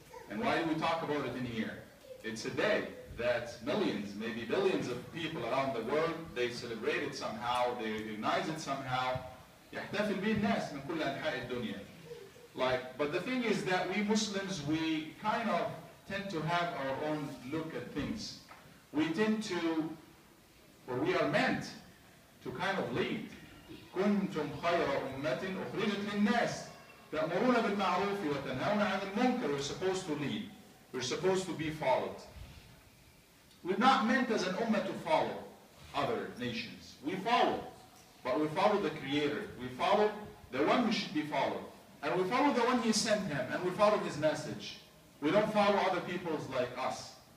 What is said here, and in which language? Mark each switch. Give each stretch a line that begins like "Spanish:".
English: And why do we talk about it in here? It's a day that millions, maybe billions of people around the world, they celebrate it somehow, they recognize it somehow.
Arabic: يحتفل به الناس من كل أنحاء الدنيا.
English: Like, but the thing is that we Muslims, we kind of tend to have our own look at things. We tend to, or we are meant to kind of lead.
Arabic: كنتم خير أمة أخرجت للناس تأمرون بالمعروف وتنهون عن المنكر.
English: We're supposed to lead. We're supposed to be followed. We're not meant as an ummah to follow other nations. We follow. But we follow the Creator. We follow the one who should be followed. And we follow the one He sent Him. And we follow His message. We don't follow other peoples like us.